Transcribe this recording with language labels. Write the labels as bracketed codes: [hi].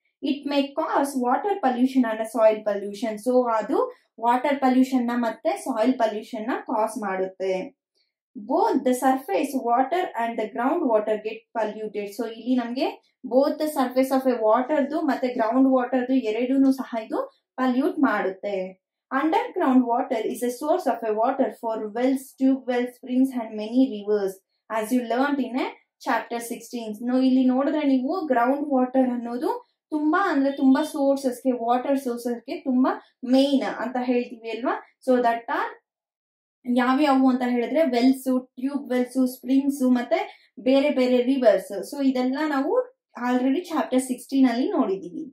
[en] It may cause water pollution and soil pollution. [kn] So ಅದು water pollution ನ ಮತ್ತೆ soil pollution ನ ಕಾಸ್ ಮಾಡುತ್ತೆ. [en] Both the surface water and the ground water get polluted. [kn] So ಇಲ್ಲಿ ನಮ್ಗೆ both the surface of A ವಾಟರ್ದು ಮತ್ತೆ ground ವಾಟರ್ದು ಎರಡೂ ಸಹ ಇದು ಪಲ್ಯೂಟ್ ಮಾಡುತ್ತೆ. [en] Underground water is a source of a water for wells, tube wells, springs and many rivers as you learnt in a chapter 16. [kn] No, ಇಲ್ಲಿ ನೋಡಿದ್ರೆ ನೀವು ಗ್ರೌಂಡ್ ವಾಟರ್ ಅನ್ನೋದು ತುಂಬಾ ಅಂದ್ರೆ ತುಂಬಾ ಸೋರ್ಸಸ್ ಗೆ ವಾಟರ್ ಸೋರ್ಸಸ್ ಗೆ ತುಂಬಾ ಮೇನ್ ಅಂತ ಹೇಳ್ತೀವಿ ಅಲ್ವಾ. ಸೊ ದಟ್ ಆರ್ ಯಾವ್ಯಾವು ಅಂತ ಹೇಳಿದ್ರೆ ವೆಲ್ಸು, ಟ್ಯೂಬ್ ವೆಲ್ಸು, ಸ್ಪ್ರಿಂಗ್ಸ್ ಮತ್ತೆ ಬೇರೆ ಬೇರೆ ರಿವರ್ಸ್. ಸೊ ಇದೆಲ್ಲ ನಾವು ಆಲ್ರೆಡಿ ಚಾಪ್ಟರ್ 16 ಅಲ್ಲಿ ನೋಡಿದೀವಿ.